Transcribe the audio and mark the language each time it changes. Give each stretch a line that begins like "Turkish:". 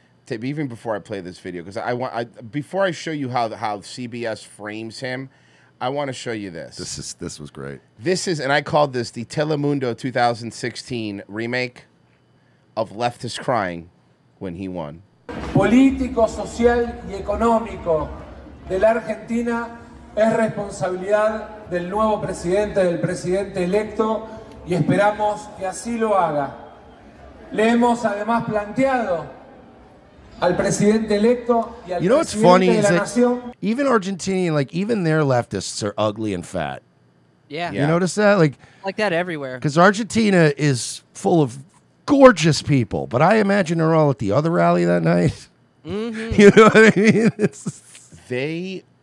English: Even before I play this video, because before I show you how CBS frames him, I want to show you this. This was great. This is, and I called this the Telemundo 2016 remake of Leftist Crying When He Won.
Spanish: Político, social y económico de la Argentina es responsabilidad del nuevo presidente, del presidente electo, y esperamos que así lo haga. Le hemos además planteado al presidente electo y al presidente de la nación.
English: Even Argentinian, like, even their leftists are ugly and fat. Yeah. You notice that? Like that everywhere. Because Argentina is full of gorgeous people, but I imagine they're all at the other rally that night. Mm-hmm. You know what I mean? They're